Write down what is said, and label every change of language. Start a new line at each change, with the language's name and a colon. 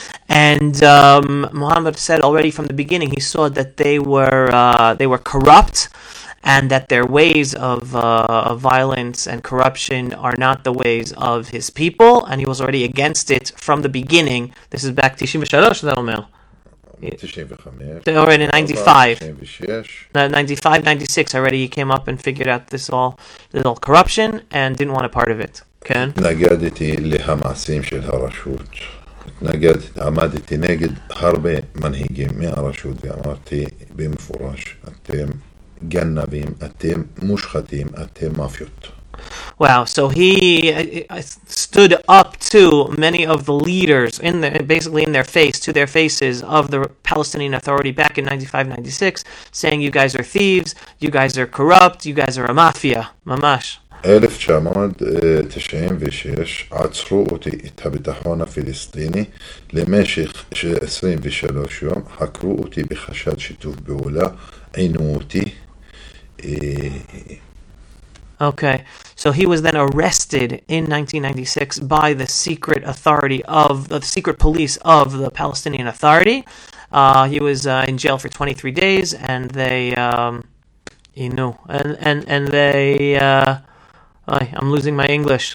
English: And Muhammad said already from the beginning he saw that they were corrupt, and that their ways of violence and corruption are not the ways of his people, and he was already against it from the beginning. This is back 93, that Omer. 95. Already in 95. 95, 96, already he came up and figured out this all corruption and didn't want a part of it.
Hebrew: כן. התנגדתי למעשים של הרשות. עמדתי נגד הרבה מנהיגים מהרשות ואמרתי במפורש, אתם גנבים, אתם מושחתים, אתם מאפיות.
English: Wow, so he stood up to many of the leaders in their faces of the Palestinian Authority back in 95-96, saying you guys are thieves, you guys are corrupt, you guys are a mafia.
Hebrew: Mamash. 1996 עצרו אותי את הביטחון הפלסטיני למשך 23 יום, חקרו אותי בחשד שיתוף פעולה, עינו אותי.
English: Okay, so he was then arrested in 1996 by the secret authority of the secret police of the Palestinian Authority. He was in jail for 23 days, and I'm losing my English.